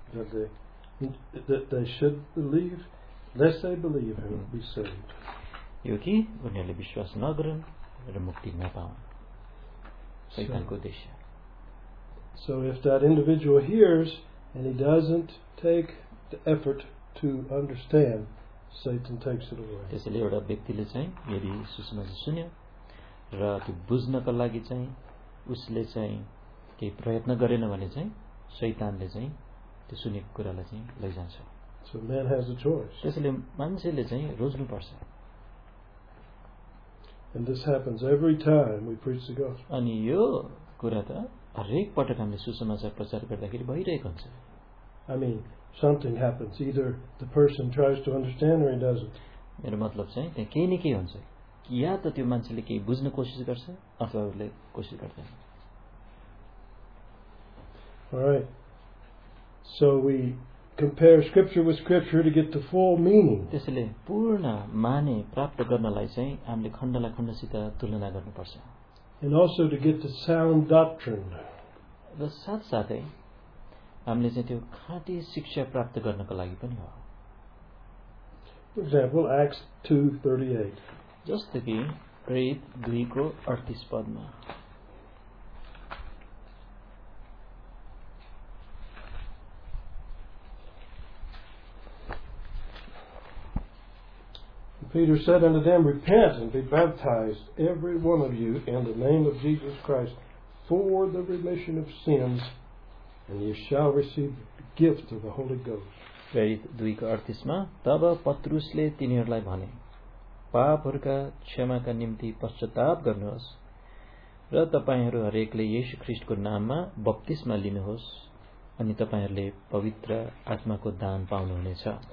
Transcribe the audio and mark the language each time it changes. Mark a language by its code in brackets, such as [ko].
[en] That they should believe, lest they believe and be saved. [ne] यो कि उनीहरूले विश्वास नगरन् र मुक्ति नपाउन्. शैतानको उद्देश्य. [en] So if that individual hears and he doesn't take the effort to understand, Satan takes it away. [ne] त्यसैले एउटा व्यक्तिले चाहिँ यदि सुसमाचार सुन्यो र त्यो बुझ्नको लागि चाहिँ उसले चाहिँ केही प्रयत्न गरेन भने चाहिँ शैतानले चाहिँ त्यो सुनेको कुरालाई चाहिँ लैजान्छ. [en] So man has a choice. [ne] त्यसैले मान्छेले चाहिँ रोज्नु पर्छ. [en] And this happens every time we preach the gospel. [ne] अनि यो कुरा त हरेक पटक हामीले सुसमाचार प्रचार गर्दाखेरि भइरहेको हुन्छ. [en] I mean, something happens. Either the person tries to understand or he doesn't. [ne] मेरो मतलब चाहिँ त्यहाँ केही न केही हुन्छ. या त त्यो मान्छेले केही बुझ्न कोसिस गर्छ अथवा उसले कोसिस गर्दैन. [en] Alright. So we compare scripture with scripture to get the full meaning. [ne] त्यसैले पूर्ण माने प्राप्त गर्नलाई चाहिँ हामीले खण्डलाई खण्डसित तुलना गर्नुपर्छ. [en] And also to get the sound doctrine. [ne] र साथसाथै हामीले चाहिँ त्यो खाँटी शिक्षा प्राप्त गर्नको लागि पनि हो. [en] For example, Acts 2:38. Just to be read Greek or this padma. Peter said unto them, Repent and be baptized, every one of you, in the name of Jesus Christ, for the remission of sins, and you shall receive the gift of the Holy Ghost. [ne] फेरि दुईको अडतिसमा तब पत्रुसले तिनीहरूलाई भने पापहरूका क्षमाका निम्ति पश्चाताप गर्नुहोस् र तपाईँहरू हरेकले येशु ख्रिस्टको नाममा बप्तिस्मा लिनुहोस् अनि तपाईँहरूले पवित्र आत्माको दान पाउनुहुनेछ.